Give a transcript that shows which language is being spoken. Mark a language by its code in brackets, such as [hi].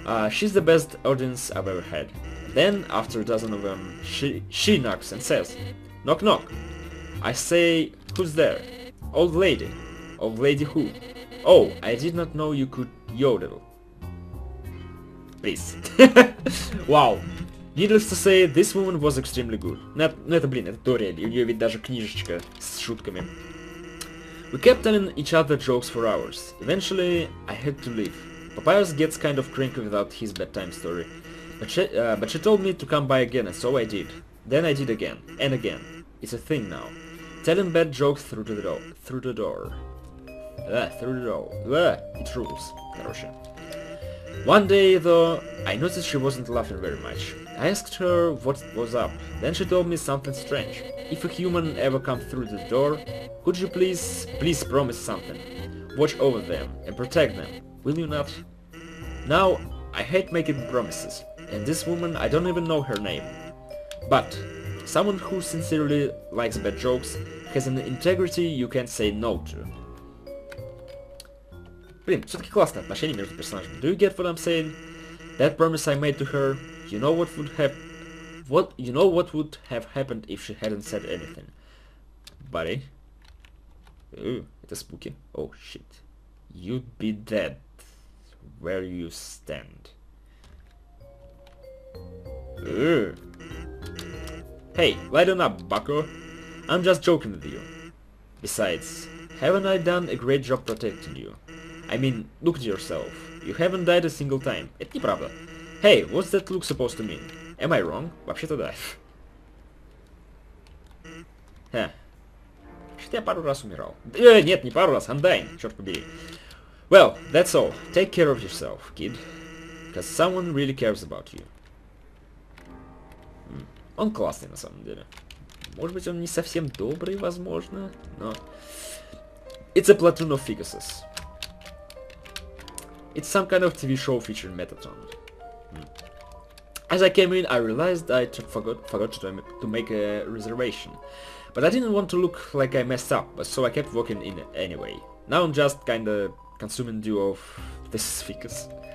[en] She's the best audience I've ever had. Then, after a dozen of them, she knocks and says, knock knock. I say, who's there? Old lady. Old lady who? Oh, I did not know you could yodel. Please. Wow. Needless to say, this woman was extremely good. [ru] Ну это, блин, это Дориэль, у нее ведь даже книжечка с шутками. [en] We kept telling each other jokes for hours. Eventually, I had to leave. Papyrus gets kind of cranky without his bedtime story. But she told me to come by again, and so I did. Then I did again, and again. It's a thing now. Telling bad jokes through the door. Through the door. Through the door. It rules. [ru] Хорошо. [en] One day, though, I noticed she wasn't laughing very much. I asked her what was up, then she told me something strange. If a human ever comes through the door, could you please, please promise something? Watch over them and protect them, will you not? Now, I hate making promises, and this woman, I don't even know her name. But, someone who sincerely likes bad jokes has an integrity you can't say no to. [ru] Блин, все-таки классные отношения между персонажами. [en] Do you get what I'm saying? That promise I made to her, you know what would have... What... You know what would have happened if she hadn't said anything? Buddy? Ooh, это spooky. Oh, shit. You'd be dead where you stand. Ooh. Hey, lighten up, bucko. I'm just joking with you. Besides, haven't I done a great job protecting you? I mean, look at yourself. You haven't died a single time. [ru] Это неправда. [en] Hey, what's that look supposed to mean? Am I wrong? [ru] Вообще-то да. Ха. Вообще-то я пару раз умирал. Нет, не пару раз, [en] I'm dying, [ru] черт побери. [en] Well, that's all. Take care of yourself, kid. Cause someone really cares about you. [ru] Он классный на самом деле. Может быть он не совсем добрый, возможно, но... [en] It's a platoon of figuses. It's some kind of TV show featuring Metatron. As I came in, I realized I forgot to make a reservation. But I didn't want to look like I messed up, so I kept walking in anyway. Now I'm just kinda consuming due of this ficus.